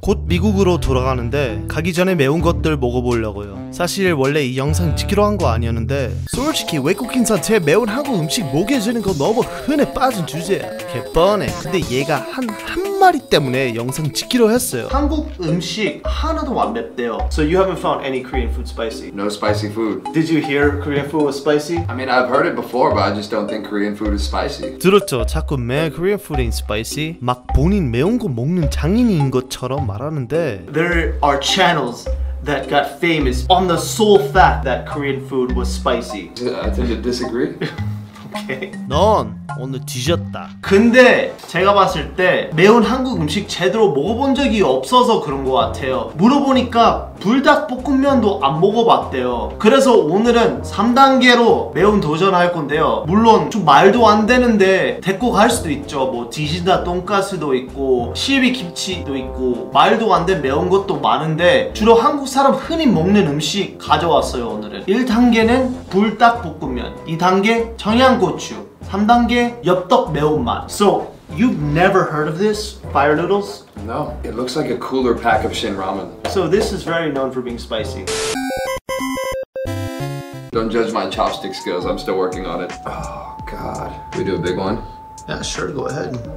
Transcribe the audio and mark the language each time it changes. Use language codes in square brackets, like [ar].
[ko] 곧 미국으로 돌아가는데 가기 전에 매운 것들 먹어보려고요. 사실 원래 이 영상 찍기로 한 거 아니었는데 솔직히 외국인한테 매운 한국 음식 먹여 주는 거 너무 흔해 빠진 주제야. 개 뻔해. 근데 얘가 한 마리 때문에 영상 찍기로 했어요. 한국 음식 하나도 안 맵대요. [en] So you haven't found any Korean food spicy? No spicy food. Did you hear Korean food was spicy? I mean, I've heard it before, but I just don't think Korean food is spicy. [ko] 들었죠. 자꾸 매 [en] Korean food ain't spicy. [ko] 막 본인 매운 거 먹는 장인인 것처럼 말하는데 [en] There are channels that got famous on the sole fact that Korean food was spicy. I tend to disagree. Okay. [ko] 넌 오늘 뒤졌다. 근데 제가 봤을 때 매운 한국 음식 제대로 먹어본 적이 없어서 그런 것 같아요. 물어보니까 불닭볶음면도 안 먹어봤대요. 그래서 오늘은 3단계로 매운 도전할 건데요. 물론 좀 말도 안 되는데 데리고 갈 수도 있죠. 뭐 디지다 돈가스도 있고 시비 김치도 있고 말도 안 된 매운 것도 많은데 주로 한국 사람 흔히 먹는 음식 가져왔어요. 오늘은 1단계는 불닭볶음면, 2단계 청양고추, 3단계 엽떡 매운맛. [en] So you've never heard of this, fire noodles? No, it looks like a cooler pack of Shin Ramen. So this is very known for being spicy. Don't judge my chopstick skills, I'm still working on it. Oh god. We do a big one? Yeah, sure, go ahead.